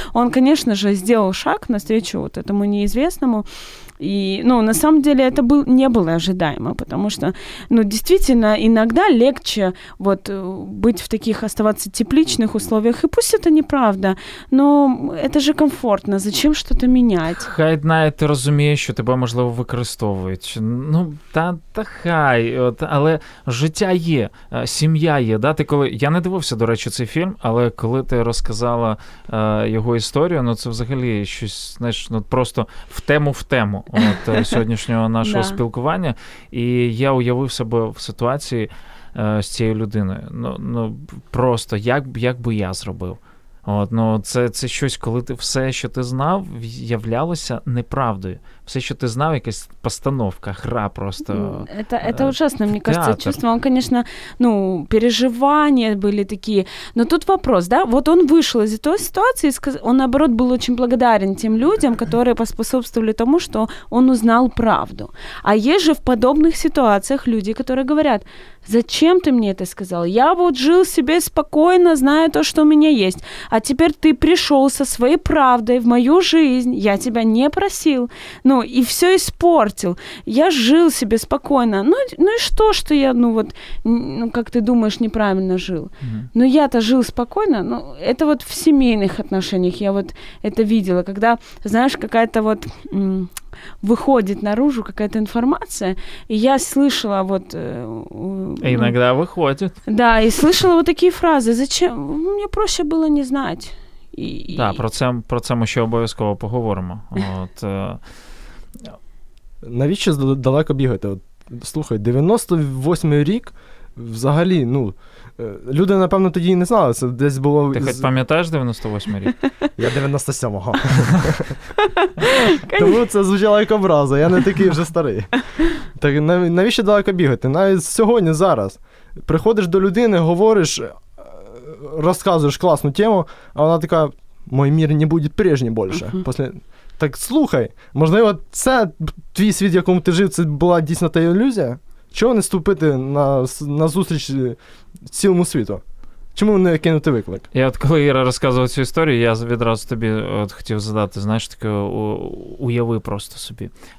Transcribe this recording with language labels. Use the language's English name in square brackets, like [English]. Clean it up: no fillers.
[Russian] Он, конечно же, сделал шаг навстречу вот этому неизвестному, и, ну, на самом деле это был, не было ожидаемо, потому что, ну, действительно, иногда легче вот быть в таких, оставаться тепличных условиях, и пусть это неправда, но это же комфортно, зачем что-то менять? Хай знает и разумеет, что тебя, [Ukrainian] можливо, використовують. Ну, та хай, от, але життя є, сім'я є, да, ти коли, я не дивився, до речі, цей фільм, але коли ти розказала його історію, ну, це взагалі щось, знаєш, ну, просто в тему, от сьогоднішнього нашого спілкування, і я уявив себе в ситуації з цією людиною, ну, просто, як би я зробив, от, ну, це щось, коли ти все, що ти знав, являлося неправдою. [Russian] Все, что ты знал, какая-то постановка, игра просто. Это ужасно, мне кажется, театр. Чувство. Он, конечно, ну, переживания были такие. Но тут вопрос, да, вот он вышел из этой ситуации, он, наоборот, был очень благодарен тем людям, которые поспособствовали тому, что он узнал правду. А есть же в подобных ситуациях люди, которые говорят, зачем ты мне это сказал? Я вот жил себе спокойно, зная то, что у меня есть. А теперь ты пришел со своей правдой в мою жизнь. Я тебя не просил. Ну, и все испортил. Я жил себе спокойно. Ну и что, что я, ну вот, ну, как ты думаешь, неправильно жил? Mm-hmm. Ну, я-то жил спокойно. Ну, это вот в семейных отношениях я вот это видела. Когда, знаешь, какая-то вот выходит наружу какая-то информация, и я слышала вот... Иногда выходит. Да, и слышала вот такие фразы. Зачем? Мне проще было не знать. [Ukrainian] Так, да, про це ми ще обов'язково поговоримо. От, Навіщо далеко бігати? От, слухай, 98-й рік, взагалі, ну, люди, напевно, тоді і не знали, це десь було... Ти хоч пам'ятаєш 98-й рік? Я 97-го. Тому це звучало як образа, я не такий вже старий. Так, навіщо далеко бігати? Навіть сьогодні, зараз, приходиш до людини, говориш... [Russian] рассказываешь классную тему, а она такая: мой мир не будет прежним больше. Uh-huh. После... [Ukrainian] Так слухай, можливо, це твій світ, в якому ти жив, це була дійсно та ілюзія? Чого не ступити на зустріч цілому світу? Чому не кинути виклик? Я от коли Іра розказував цю історію, я відразу тобі от хотів задати, знаєш, таке, уяви просто собі.